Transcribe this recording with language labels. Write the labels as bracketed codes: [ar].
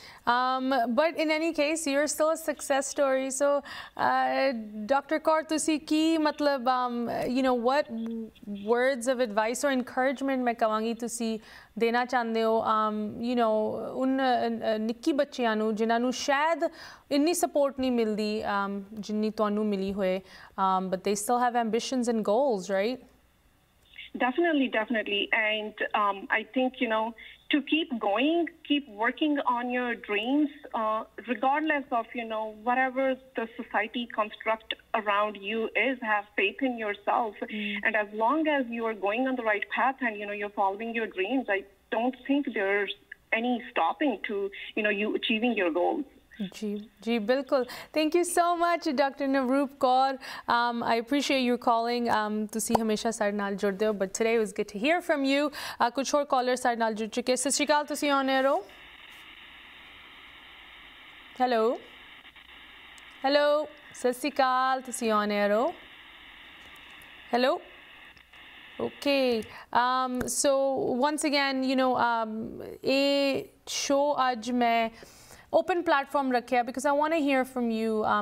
[en] But in any case, you're still a success story. So, Dr. [pa] Kaur, ਤੁਸੀ ਕੀ ਮਤਲਬ, [en] what words of advice or encouragement [pa] ਮੈਂ ਕਹਾਂਗੀ ਤੁਸੀ ਦੇਣਾ ਚਾਹੁੰਦੇ ਹੋ, ਨਿੱਕੀ ਬੱਚੀਆਂ ਨੂੰ ਜਿਨ੍ਹਾਂ ਨੂੰ ਸ਼ਾਇਦ ਇੰਨੀ support ਨਹੀਂ ਮਿਲਦੀ ਜਿੰਨੀ ਤੁਹਾਨੂੰ ਮਿਲੀ ਹੋਏ, [en] but they still have ambitions and goals, right? Definitely, definitely. And I think, to keep going, keep working on your dreams, regardless of, whatever the society construct around you is, have faith in yourself. And as long as you are going on the right path and, you're following your dreams, I don't think there's any stopping to, you achieving your goals. [pa] Ji, bilkul. [en] Thank you so much, Dr. Narup Kaur. I appreciate you calling. [pa] Tusi hamesha saade naal judde ho, [en] but today it was good to hear from you. [pa] ਕੁਝ ਹੋਰ collars ਸਾਡੇ ਨਾਲ ਜੁੜ ਚੁੱਕੇ। ਸਤ ਸ੍ਰੀ ਅਕਾਲ, ਤੁਸੀ on air ਹੋ। Hello? Hello? Sat Sri ਅਕਾਲ, ਤੁਸੀ on air ਹੋ। [en] Hello? Okay. So, once again, a show [pa] aaj main open platform rakhe [en] because I want to hear from you.